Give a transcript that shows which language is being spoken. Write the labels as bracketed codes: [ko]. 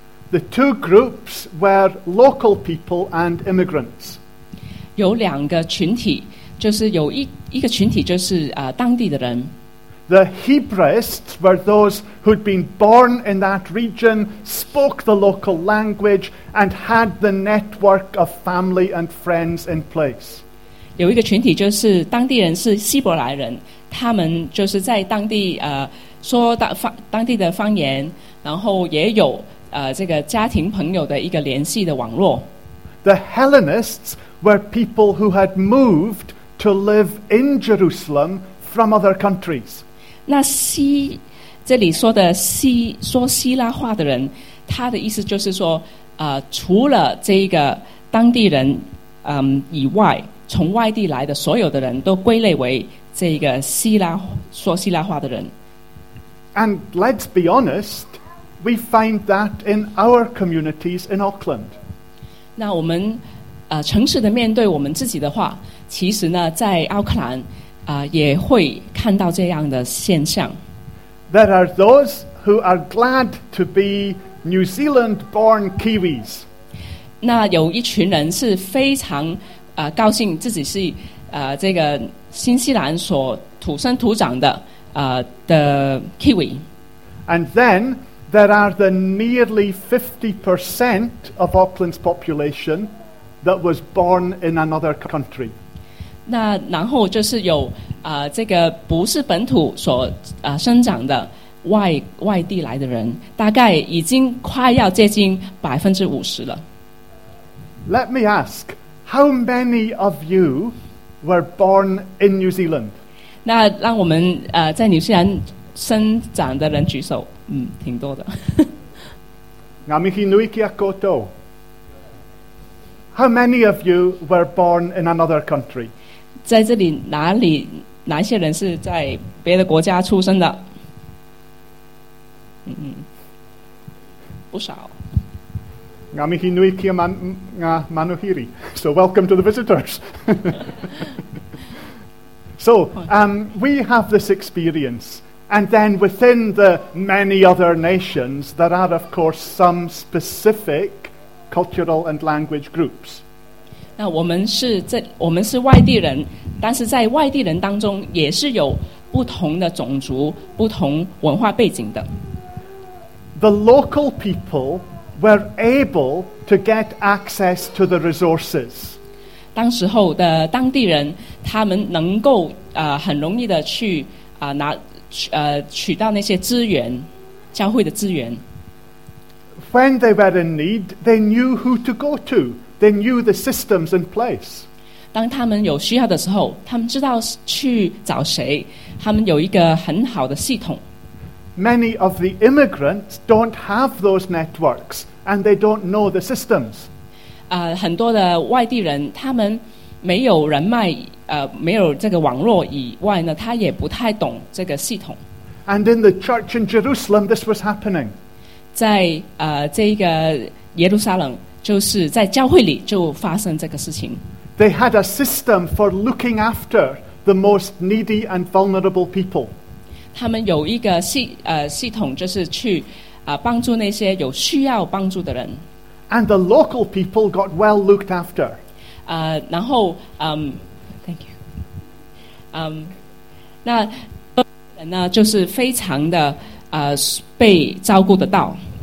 [en] The two groups were local people and immigrants. [zh] 有两个群体，就是有一个群体就是当地的人。 [en] The Hebraists were those who'd been born in that region, spoke the local language, and had the network of family and friends in place. [zh] 有一个群体就是当地人，是希伯来人，他们就是在当地说当地的方言，然后也有这个家庭朋友的一个联系的网络。 [en] The Hellenists were people who had moved to live in Jerusalem from other countries. [zh] 那希这里说的希说希腊话的人，他的意思就是说，除了这个当地人以外，从外地来的所有的人都归类为这个希腊说希腊话的人。 [en] And let's be honest, we find that in our communities in Auckland. [zh] 那我们诚实的面对我们自己的话，其实呢在奥克兰也会看到这样的现象。 [en] There are those who are glad to be New Zealand born Kiwis. [zh] 那有一群人是非常高兴自己是这个新西兰所土生土长的的 Kiwi. [en] And then there are the nearly 50% of Auckland's population that was born in another country. [zh] 那然后就是有这个不是本土所生长的外地来的人，大概已经快要接近50%了。 [en] Let me ask, how many of you were born in New Zealand? [zh] 那让我们在纽西兰生长的人举手，挺多的。 [mi] Ngā mihi nui ki a koutou. [en] How many of you were born in another country? [zh] 在这里哪些人是在别的国家出生的？不少。 [mi] Ngā mihi nui ki a ngā manuhiri. [en] So welcome to the visitors. So, we have this experience. And then within the many other nations, there are, of course, some specific cultural and language groups. [zh] 那我们是外地人，但是在外地人当中也是有不同的种族、不同文化背景的。 [en] The local people were able to get access to the resources. [zh] 当时候的当地人，他们能够很容易的去拿。取到那些资源，教会的资源。 [en] When they were in need, they knew who to go to. They knew the systems in place. [zh] 当他们有需要的时候，他们知道去找谁，他们有一个很好的系统。 [en] Many of the immigrants don't have those networks, and they don't know the systems. [zh] 很多的外地人，他们没有人脉。没有这个网络以外呢，他也不太懂这个系统。 [en] And in the church in Jerusalem, this was happening. [zh] 在这个耶路撒冷，就是在教会里就发生这个事情。 [en] They had a system for looking after the most needy and vulnerable people. [zh] 他们有一个系统，就是去帮助那些有需要帮助的人。 [en] And the local people got well looked after. [zh] 然后那人呢，就是非常的被照顾得到。